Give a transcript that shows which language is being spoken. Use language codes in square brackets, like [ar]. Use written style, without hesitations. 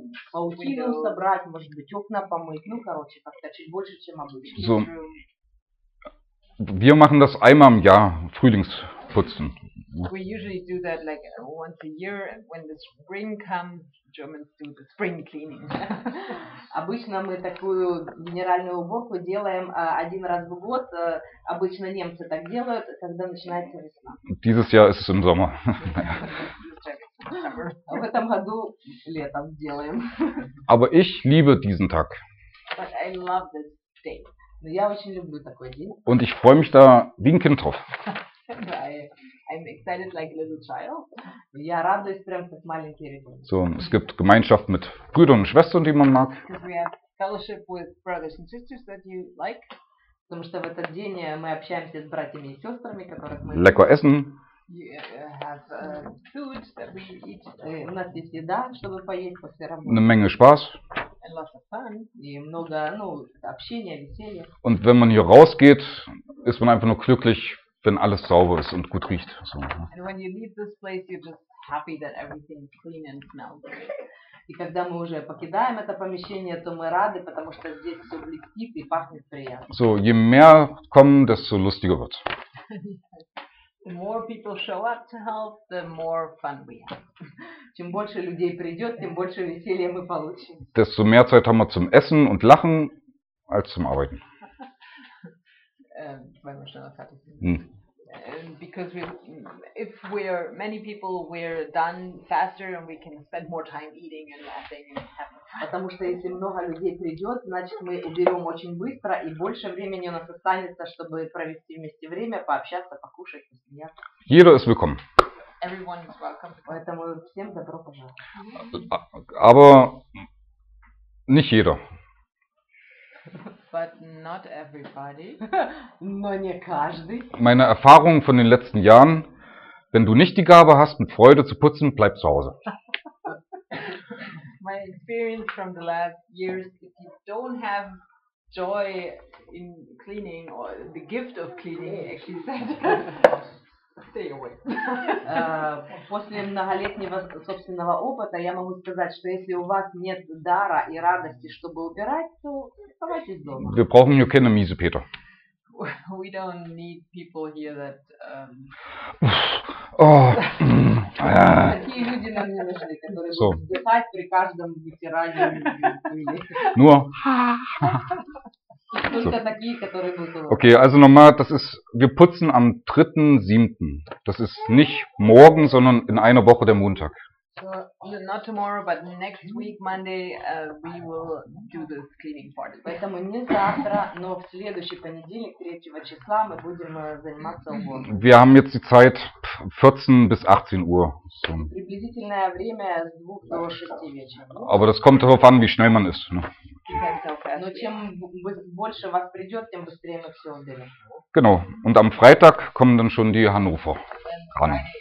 [ru] Паутину собрать, может быть, окна помыть. Ну, короче, как-то чуть больше, чем обычно. [de] So, wir machen das einmal im Jahr, Frühlingsputzen. [en] We usually do that like once a year, when the spring comes, Germans do the spring cleaning. [ru] Обычно мы такую генеральную уборку делаем один раз в год. Обычно немцы так делают, когда начинается весна. [de] Dieses Jahr ist es im Sommer. [ru] В этом году летом сделаем. [de] Aber ich liebe diesen Tag. [en] But I love this day. [ru] Но я очень люблю такой день. [de] Und ich freue mich da wie ein Kind drauf. [en] I'm excited like a little child. [ru] Я радуюсь прям как маленький ребенок. [de] So, es gibt Gemeinschaft mit Brüdern und Schwestern, die man mag. [en] Because we have fellowship with brothers and sisters that you like. [ru] Потому что в этот день мы общаемся с братьями и сестрами, которых мы. [de] Lecker essen. [en] You have food that we eat. [ru] У нас есть еда, чтобы поесть после работы. [de] Eine Menge Spaß. [en] And lots of fun. [ru] И много, ну, общения, веселья. [de] Und wenn man hier rausgeht, ist man einfach nur glücklich, wenn alles sauber ist und gut riecht. So. [en] And when you leave this place, you're just happy that everything is clean and smells good. [ru] И когда мы уже покидаем это помещение, то мы рады, потому что здесь все блестит и пахнет приятно. [de] So, je mehr kommen, desto lustiger wird. [en] The more people show up to help, the more fun we have. [ru] Чем больше людей придет, тем больше веселья мы получим. [de] Desto mehr Zeit haben wir zum Essen und Lachen als zum Arbeiten. Weil wir schon was hatten. [en] Because if we are many people, we're done faster and we can spend more time eating and laughing and having fun. [ru] Потому что если много людей придет, значит мы уберем очень быстро и больше времени у нас останется, чтобы провести вместе время, пообщаться, покушать, посмеяться. [de] Jeder ist willkommen. [en] Everyone is welcome. [ru] Поэтому всем добро пожаловать. [de] Aber Nicht jeder. [en] But not everybody. [ru] Но не каждый. [de] Meine Erfahrung von den letzten Jahren, wenn du nicht die Gabe hast, mit Freude zu putzen, bleib zu Hause. [en] My experience from the last years, if you don't have joy in cleaning or the gift of cleaning, actually said, stay away. [ru] После многолетнего собственного опыта я могу сказать, что если у вас нет дара и радости, чтобы убирать, то оставайтесь дома. [de] Wir brauchen hier keine Miese, Peter. [en] We don't need people here that. [ru] Такие люди нам не нужны, которые будут вздыхать при каждом вытирании. Ну. So. [de] Okay, also nochmal, das ist, wir putzen am 3.7. Das ist nicht morgen, sondern in einer Woche der Montag. [en] So, not tomorrow, but next week, Monday, we will do this cleaning party. [ru] Поэтому не завтра, но в следующий понедельник, 3 числа, мы будем заниматься уборкой. [de] Wir haben jetzt die Zeit 14 bis 18 Uhr. So. [ru] Приблизительное время с 2 до 6 вечера. [de] Aber das kommt darauf an, wie schnell man ist. Ne? [ru] Но чем больше вас придет, тем быстрее мы все уберем. [de] Genau. Und am Freitag kommen dann schon die Hannover ran.